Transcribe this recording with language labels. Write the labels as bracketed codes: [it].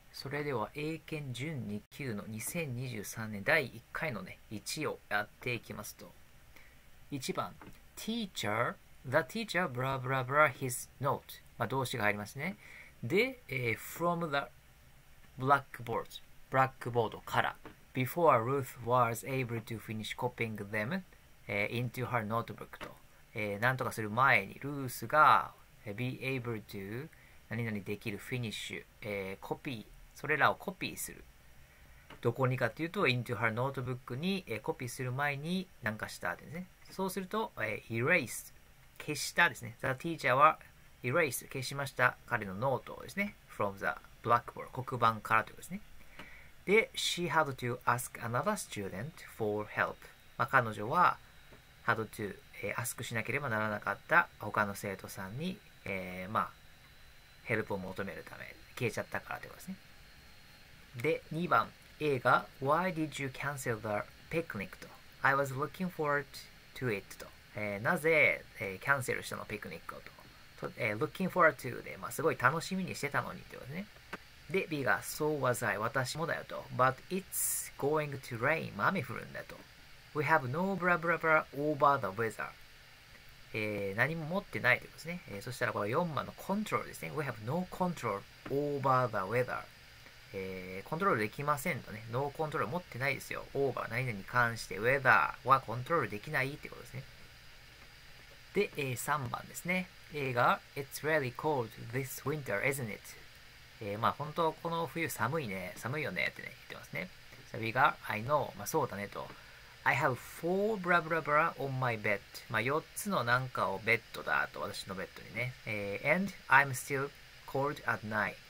[ja] それでは英検準2級の2023年第1回のね、1をやっていきますと。 [en] 1番、teacher、the teacher blah blah blah his note。 [ja] まあ動詞が入りますね。で、 [en] from the blackboard、 [ja] ブラックボードから。 [en] before Ruth was able to finish copying them、into her notebook と。 [ja] なんとかする前に、ルースが、be able to 何々できる、finish、コピー、それらをコピーする。どこにかというと、into her notebook に、コピーする前に何かしたですね。そうすると、erase、消したですね。The teacher は erase、消しました。彼のノートをですね。from the blackboard、黒板からということですね。で、 [en] she had to ask another student for help。 [ja] まあ、彼女は、had to、ask しなければならなかった他の生徒さんに、ヘルプを求めるため、消えちゃったからということですね。 [en] で、2番、A が Why did you cancel the picnic? と。I was looking forward to it. と。 [ja] なぜ、キャンセルしたの、ピクニックをと。 looking forward to で、まあ、すごい楽しみにしてたのにってことね。で、B が [en] So was I. [ja] 私もだよと。 [en] But it's going to rain. 雨降るんだと。 We have no blah blah blah over the weather. [ja] 何も持ってないってことですね。そしたらこの4番のコントロールですね。 [en] We have no control over the weather. [ja] コントロールできませんとね。ノーコントロール持ってないですよ。オーバー、何々に関して、ウェザーはコントロールできないってことですね。で、3番ですね。 [en] A が、It's really cold this winter, isn't it? [ja] まあ、本当、この冬寒いね。寒いよねってね、言ってますね。 [en] B が、I know, [ja] まあ、そうだねと。 [en] I have four blah blah blah on my bed. [ja] まあ、4つのなんかをベッドだと、私のベッドにね。 [en] And I'm still cold at night.